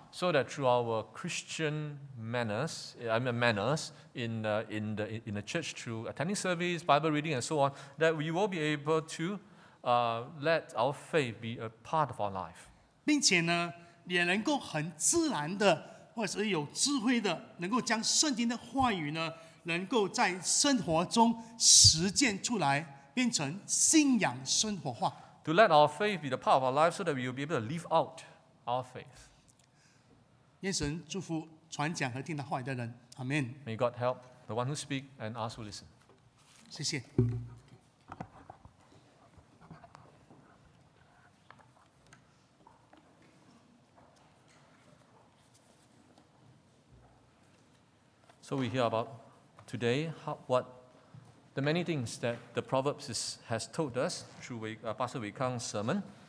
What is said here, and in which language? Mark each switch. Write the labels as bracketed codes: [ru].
[en] So that through our Christian manners in the church, through attending service, Bible reading, and so on, that we will be able to let our faith be a part of our life. [zh] 并且呢, 也能够很自然的, 或者是有智慧的, 能够将圣经的话语呢, 能够在生活中实践出来, 变成信仰生活化。 [en] To let our faith be the part of our life so that we will be able to live out our faith. [zh] 愿神祝福传讲和听到话语的人, Amen. [en] May God help the one who speak and us who listen. [zh] 谢谢。 [en] So we hear about today what the many things that the Proverbs has told us through Pastor Wei Kang's sermon.